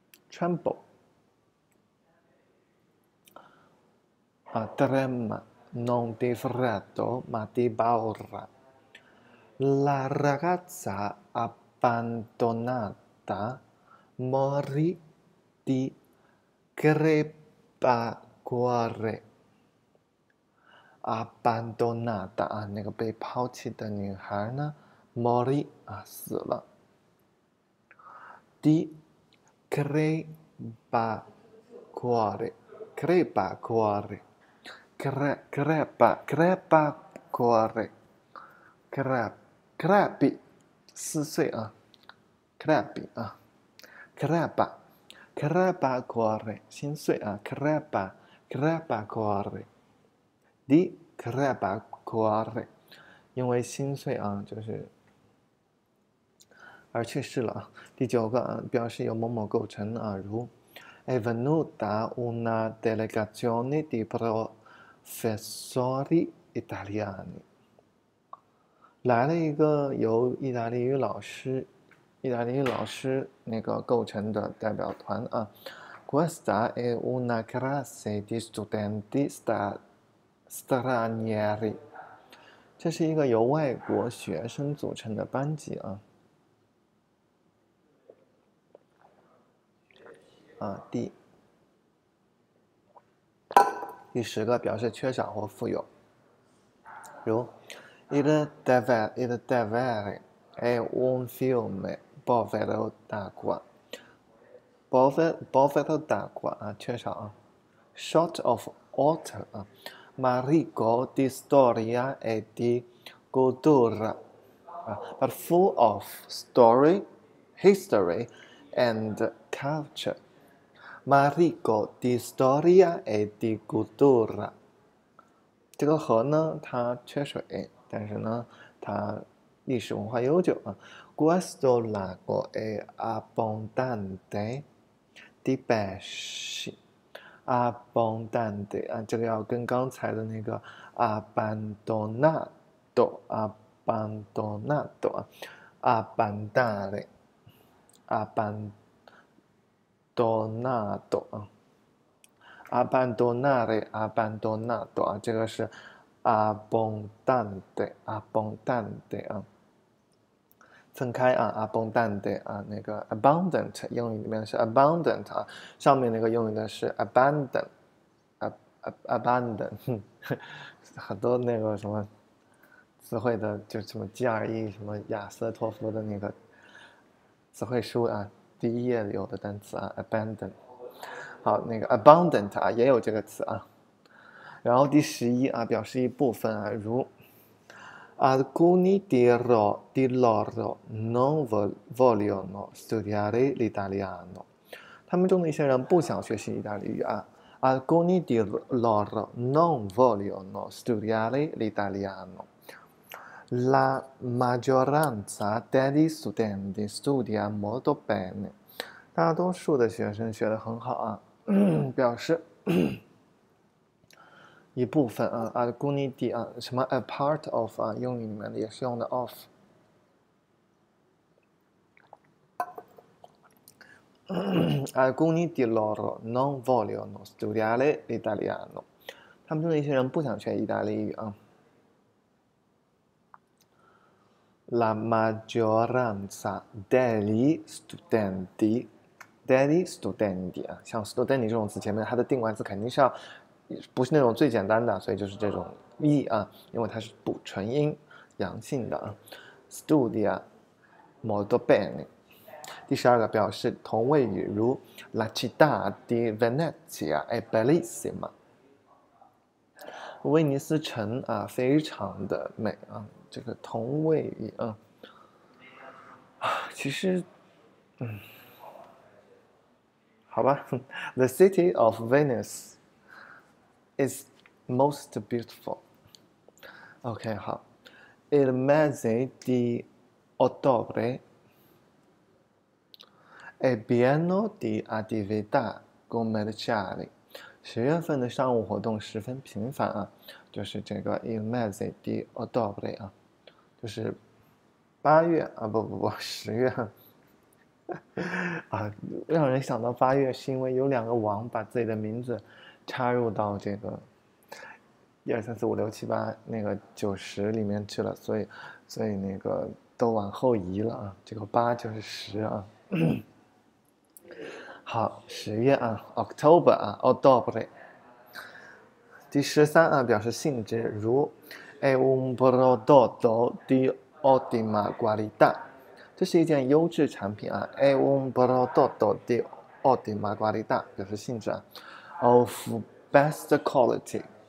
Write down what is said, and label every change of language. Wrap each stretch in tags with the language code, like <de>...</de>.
<it>tremble 啊，trema non di freddo ma di paura. La ragazza abbandonata morì di crepacuore.</it> <zh>Abbandonata 啊，那个被抛弃的女孩呢，morì 啊，死了。</zh> <it>di crepacuore，crepacuore，crepacuore crepa cuore, crepi</it> <zh>4岁啊，crepi 啊，crepa cuore 心碎啊，</zh> <it>crepa cuore di crepa cuore</it> <zh>因为心碎啊，就是而去世了啊。第九个啊，表示由某某构成啊，如。</zh> <it>È venuta una delegazione di professori italiani.</it> <zh>来了一个由意大利语老师、意大利语老师那个构成的代表团啊。</zh> <it>Questa è una classe di studenti stranieri.</it> <zh>这是一个由外国学生组成的班级啊。啊，D。第十个表示缺少或富有，如</zh> <it>il deve è un fiume povero d'acqua</it> <zh>povero d'acqua 啊，缺少啊，</zh> <en>short of water</en> <zh>啊，</zh> <it>ma ricco di storia e di cultura</it> <zh>啊，</zh> <en>but full of story, history and culture。</en> <it>ma ricco di storia e di cultura，</it> <zh>这个河呢，它缺水，但是呢，它历史文化悠久啊。</zh> <it>Questo lago è abbondante di pesci，</it> <zh>abbondante 啊，这个要跟刚才的那个 abbandonato，abbandonato 啊，abbandare，abband。 Abbandonato 啊，abbandonare abbandonato 啊，这个是 abbondante 啊，分开啊，abbondante 啊，那个 abundant 英语里面是 abundant 啊，上面那个用的是 abandon，很多那个什么词汇的，就什么 GRE 什么雅思托福的那个词汇书啊。第一页有的单词啊，abandon，好，那个 abundant 啊，也有这个词啊。然后第十一啊，表示一部分啊，如</zh> <it>alcuni di loro non vogliono studiare l'italiano，</it> <zh>他们中的一些人不想学习意大利语啊。</zh> <it>alcuni di loro non vogliono studiare l'italiano。 La maggioranza degli studenti studia molto bene。</it> <zh>大多数的学生学得很好啊，表示一部分啊，alcuni di 啊，什么</zh> <en>a part of</en> <zh>啊，英语里面也是用的 of。</zh> <it>alcuni di loro non vogliono studiare l'italiano，</it> <zh>他们中的一些人不想学意大利语啊。</zh> <it>La maggioranza degli studenti Daddy studenti</it> <zh>啊，像 studenti 这种词前面它的定冠词肯定是要，不是那种最简单的，所以就是这种 e 啊，因为它是补纯音，阳性的啊。</zh> <it>Studia molto bene。</it> <zh>第十二个表示同位语，如</zh> <it>La città di Venezia è bellissima。</it> <zh>威尼斯城啊，非常的美啊，这个同位语啊，其实，好吧，</zh> <en>The city of Venice is most beautiful.</en> <it>OK，好，Il mese di ottobre è pieno di attività commerciali.</it> <zh>10月份的商务活动十分频繁啊，就是这个</zh> <it>Il mese di ottobre</it> <zh>啊，就是8月啊，不，10月。啊，让人想到八月，是因为有两个王把自己的名字插入到这个一二三四五六七八那个90里面去了，所以那个都往后移了啊，这个八就是十啊。好，10月啊，October 啊，Ottobre。 第13啊，表示性质，如</zh> <it>è un prodotto di ottima qualità。</it> <zh>这是一件优质产品啊，</zh> <it>è un prodotto di ottima qualità</it> <zh>表示性质啊，</zh> <en>of best quality，</en>